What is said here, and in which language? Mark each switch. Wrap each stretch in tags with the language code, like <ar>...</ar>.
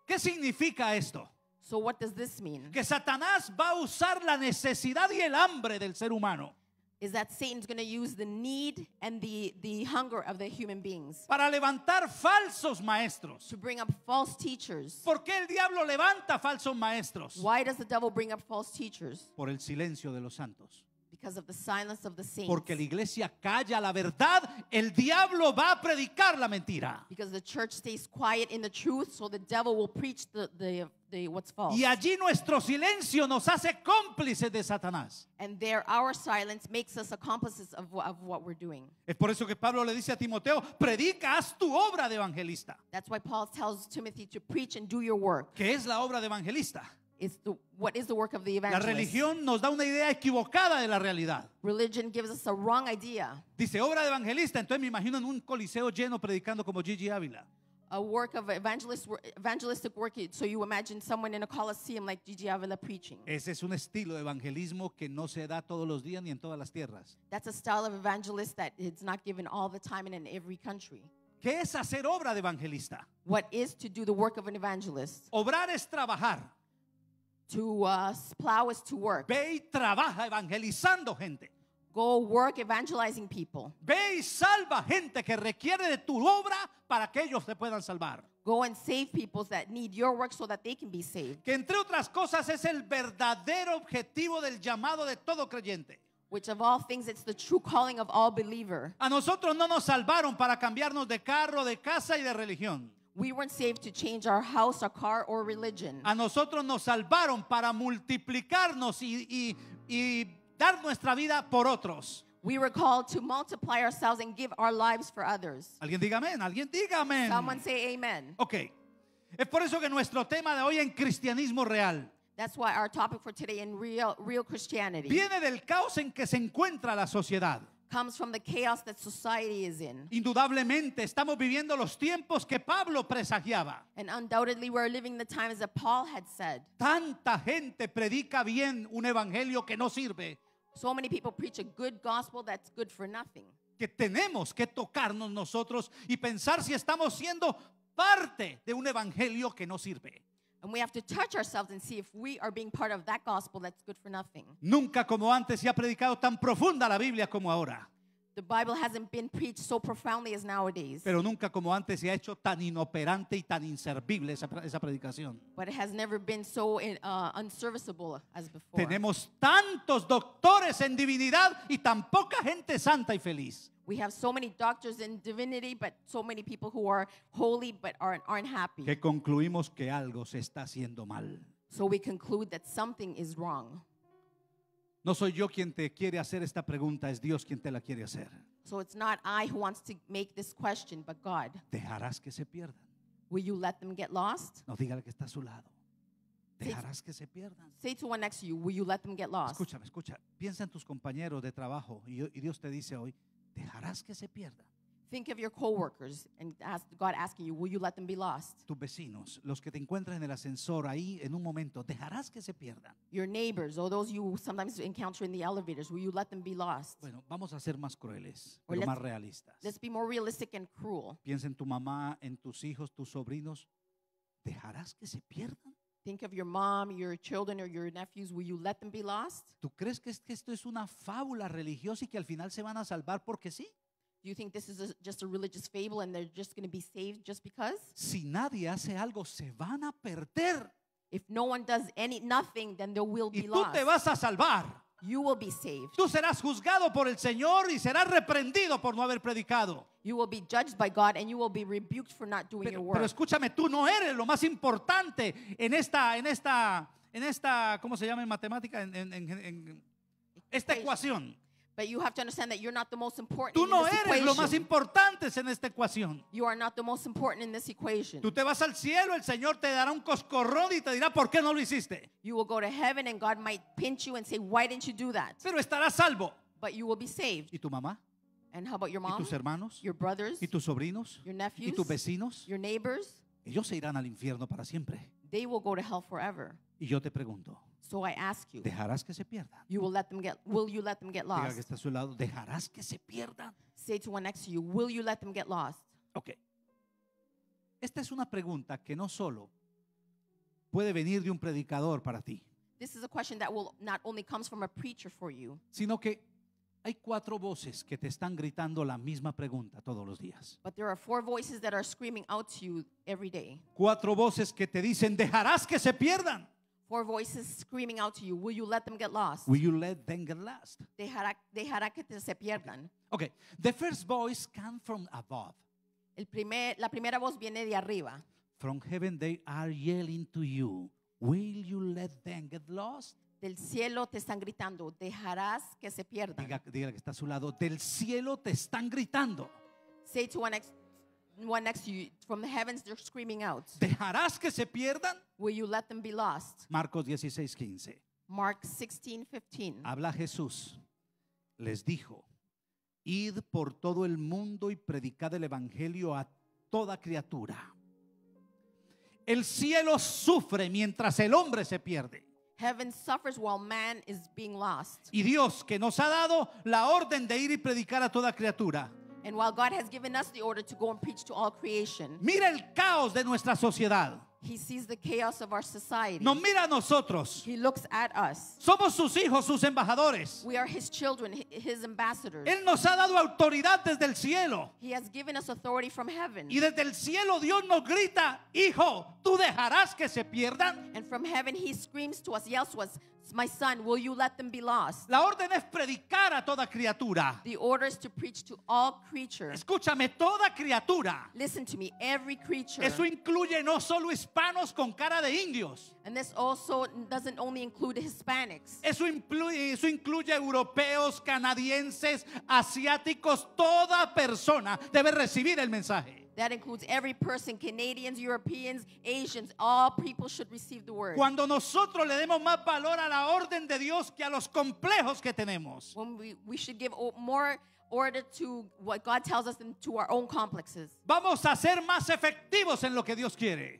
<es>¿Qué significa esto?</es> <en>So what does this mean?</en> <es>Que Satanás va a usar la necesidad y el hambre del ser humano.</es> <en>Is that Satan's going to use the need and the hunger of the human beings?</en> <es>Para levantar falsos maestros.</es> <en>To bring up false teachers.</en> <es>¿Por qué el diablo levanta falsos maestros?</es> <en>Why does the devil bring up false teachers?</en> <es>Por el silencio de los santos.</es> <en>Because of the silence of the saints.</en> <es>Porque la iglesia calla la verdad, el diablo va a predicar la mentira.</es> <en>Because the church stays quiet in the truth, so the devil will preach the what's false.</en> <es>Y allí nuestro silencio nos hace cómplices de Satanás.</es> <en>And there our silence makes us accomplices of what we're doing.</en> <es>Es por eso que Pablo le dice a Timoteo, predica, haz tu obra de evangelista.</es> <en>That's why Paul tells Timothy to preach and do your work.</en> <es>¿Qué es la obra de evangelista?</es> <en>What is the work of the evangelist?</en> <es>La religión nos da una idea equivocada de la realidad.</es> <en>Religion gives us a wrong idea.</en> <es>Dice obra de evangelista, entonces me imagino en un coliseo lleno predicando como Gigi Ávila.</es> <en>A work of evangelistic work, so you imagine someone in a coliseum like Gigi Ávila preaching.</en> <es>Ese es un estilo de evangelismo que no se da todos los días ni en todas las tierras.</es> <en>That's a style of evangelist that it's not given all the time and in every country.</en> <es>¿Qué es hacer obra de evangelista?</es> <en>What is to do the work of an evangelist?</en> <es>Obrar es trabajar.</es> <en>To plow is to work.</en> <es>Ve y trabaja evangelizando gente.</es> <en>Go work evangelizing people.</en> <es>Ve y salva gente que requiere de tu obra para que ellos se puedan salvar.</es> <en>Go and save people that need your work so that they can be saved.</en> <es>Que entre otras cosas es el verdadero objetivo del llamado de todo creyente.</es> <en>Which of all things it's the true calling of all believer.</en> <es>A nosotros no nos salvaron para cambiarnos de carro, de casa y de religión.</es> <en>We weren't saved to change our house, our car, or religion.</en> <es>A nosotros nos salvaron para multiplicarnos y dar nuestra vida por otros.</es> <en>We were called to multiply ourselves and give our lives for others.</en> <es>Alguien diga amén, alguien diga amén.</es> <en>Someone say amen. Okay.</en> <es>Es por eso que nuestro tema de hoy en cristianismo real.</es> <en>That's why our topic for today in real Christianity.</en> <es>Viene del caos en que se encuentra la sociedad.</es> <en>Comes from the chaos that society is in.</en> <es>Indudablemente estamos viviendo los tiempos que Pablo presagiaba.</es> <en>And undoubtedly we're living the times that Paul had said.</en> <es>Tanta gente predica bien un evangelio que no sirve.</es> <en>So many people preach a good gospel that's good for nothing.</en> <es>Que tenemos que tocarnos nosotros y pensar si estamos siendo parte de un evangelio que no sirve.</es> <en>And we have to touch ourselves and see if we are being part of that gospel that's good for nothing.</en> <es>Nunca como antes se ha predicado tan profunda la Biblia como ahora.</es> <en>The Bible hasn't been preached so profoundly as nowadays.</en> <es>Pero nunca como antes se ha hecho tan inoperante y tan inservible esa predicación.</es> <en>But it has never been so unserviceable as before.</en> <es>Tenemos tantos doctores en divinidad y tan poca gente santa y feliz.</es> <en>We have so many doctors in divinity, but so many people who are holy but aren't happy.</en> <es>Que concluimos que algo se está haciendo mal.</es> <en>So we conclude that something is wrong.</en> <es>No soy yo quien te quiere hacer esta pregunta, es Dios quien te la quiere hacer.</es> <en>So it's not I who wants to make this question, but God.</en> <es>¿Dejarás que se pierdan?</es> <en>Will you let them get lost?</en> <es>No, dígale que está a su lado. ¿Dejarás que se pierdan?</es> <en>Say to one next to you, will you let them get lost?</en> <es>Escucha. Piensa en tus compañeros de trabajo y Dios te dice hoy, ¿dejarás que se pierdan?</es> <en>Think of your coworkers and ask God asking you, will you let them be lost?</en> <es>Tus vecinos, los que te encuentran en el ascensor ahí en un momento, ¿dejarás que se pierdan?</es> <en>Your neighbors or those you sometimes encounter in the elevators, will you let them be lost?</en> <es>Bueno, vamos a ser más crueles, pero más realistas.</es> <en>Let's be more realistic and cruel.</en> <es>Piensa en tu mamá, en tus hijos, tus sobrinos, ¿dejarás que se pierdan?</es> <en>Think of your mom, your children, or your nephews. Will you let them be lost?</en> <es>¿Tú crees que esto es una fábula religiosa y que al final se van a salvar porque sí?</es> <en>Do you think this is just a religious fable and they're just going to be saved just because?</en> <es>Si nadie hace algo, se van a perder.</es> <en>If no one does nothing, then they will be lost.</en> <es>Y tú te vas a salvar.</es> <en>You will be saved.</en> <es>Tú serás juzgado por el Señor y serás reprendido por no haber predicado.</es> <en>You will be judged by God and you will be rebuked for not doing your work.</en> <es>Pero escúchame, tú no eres lo más importante en esta, ¿cómo se llama en matemática? En esta ecuación.</es> <en>But you have to understand that you're not the most important</en> <es>tú no</es> <en>in this</en> <es>eres</es> <en>equation.</en> <es>Lo más importante en esta ecuación.</es> <en>You are not the most important in this equation.</en> <es>Tú te vas al cielo, el Señor te dará un coscorrón y te dirá por qué no lo hiciste.</es> <en>You will go to heaven and God might pinch you and say, why didn't you do that?</en> <es>Pero estarás salvo.</es> <en>But you will be saved.</en> <es>¿Y tu mamá?</es> <en>And how about your mom?</en> <es>¿Y tus hermanos?</es> <en>Your brothers?</en> <es>¿Y tus sobrinos?</es> <en>Your nephews?</en> <es>¿Y tus vecinos?</es> <en>Your neighbors?</en> <es>Ellos se irán al infierno para siempre.</es> <en>They will go to hell forever.</en> <es>Y yo te pregunto.</es> <en>So I ask you,</en> <es>¿dejarás que se pierdan?</es> <en>Will you let them get lost?</en> <es>Diga que está a su lado, ¿dejarás que se pierdan?</es> <en>Say to one next to you, will you let them get lost? Okay.</en> <es>Esta es una pregunta que no solo puede venir de un predicador para ti.</es> <en>This is a question that will not only comes from a preacher for you.</en> <es>Sino que hay cuatro voces que te están gritando la misma pregunta todos los días.</es> <en>But there are four voices that are screaming out to you every day.</en> <es>Cuatro voces que te dicen, ¿dejarás que se pierdan?</es> <en>Four voices screaming out to you, will you let them get lost? Will you let them get lost?</en> <es>Dejará que se pierdan.</es> <en>Okay, the first voice comes from above.</en> <es>La primera voz viene de arriba.</es> <en>From heaven they are yelling to you, will you let them get lost?</en> <es>Del cielo te están gritando, dejarás que se pierdan. Diga que está a su lado, del cielo te están gritando.</es> <en>Say to one next to you, from the heavens they're screaming out,</en> <es>¿dejarás que se pierdan?</es> <en>Will you let them be lost?</en> <es>Marcos 16:15.</es> <en>Mark 16:15.</en> <es>Habla Jesús, les dijo, id por todo el mundo y predicad el evangelio a toda criatura. El cielo sufre mientras el hombre se pierde.</es> <en>Heaven suffers while man is being lost.</en> <es>Y Dios que nos ha dado la orden de ir y predicar a toda criatura.</es> <en>And while God has given us the order to go and preach to all creation,</en> <es>mira el caos de nuestra sociedad.</es> <en>He sees the chaos of our society.</en> <es>Nos mira a nosotros.</es> <en>He looks at us.</en> <es>Somos sus hijos, sus embajadores.</es> <en>We are his children, his ambassadors.</en> <es>Él nos ha dado autoridad desde el cielo.</es> <en>He has given us authority from heaven.</en> <es>Y desde el cielo Dios nos grita, hijo, ¿tú dejarás que se pierdan?</es> <en>And from heaven he screams to us, yells to us, my son, will you let them be lost?</en> <es>La orden es predicar a toda criatura.</es> <en>The order is to preach to all creatures.</en> <es>Escúchame, toda criatura.</es> <en>Listen to me, every creature.</en> <es>Eso incluye no solo hispanos con cara de indios.</es> <en>And this also doesn't only include Hispanics.</en> <es>Eso incluye europeos, canadienses, asiáticos. Toda persona debe recibir el mensaje.</es> <en>That includes every person, Canadians, Europeans, Asians, all people should receive the word.</en> <es>Cuando nosotros le demos más valor a la orden de Dios que a los complejos que tenemos.</es> <en>When we should give more order to what God tells us than to our own complexes.</en> <es>Vamos a ser más efectivos en lo que Dios quiere.</es>